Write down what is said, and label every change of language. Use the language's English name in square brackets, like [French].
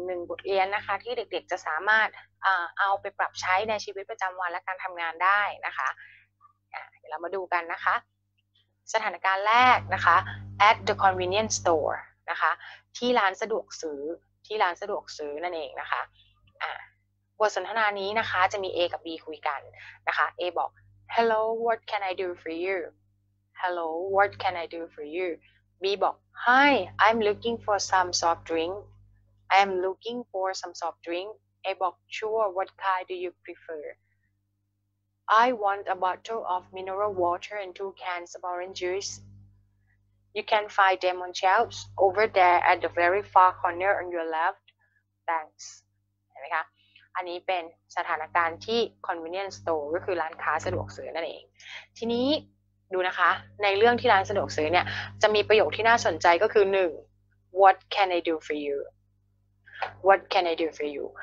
[Thai] บทเรียนนะคะที่เด็กๆจะสามารถเอาไปปรับใช้ในชีวิตประจำวันและการทำงานได้นะคะเดี๋ยวเรามาดูกันนะคะสถานการณ์แรกนะคะ [English] at the convenience store [Thai] นะคะที่ร้านสะดวกซื้อที่ร้านสะดวกซื้อนั่นเองนะคะบทสนทนานี้นะคะจะมี A กับ B คุยกันนะคะ A บอก [English] hello what can I do for youHello, what can I do for you? B [Thai] บอก [English] Hi, I'm looking for some soft drink. I'm looking for some soft drink. A [Thai] บอก [English] Sure, what kind do you prefer? I want a bottle of mineral water and 2 cans of orange juice. You can find them on shelves over there at the very far corner on your left. Thanks. [Thai] เห็นไหมคะอันนี้เป็นสถานการณ์ที่ convenience store ก็คือร้านค้าสะดวกซื้อนั่นเองทีนี้ดูนะคะในเรื่องที่ร้านสะดวกซื้อเนี่ยจะมีประโยคที่น่าสนใจก็คือ1 [English] What can I do for you? What can I do for you?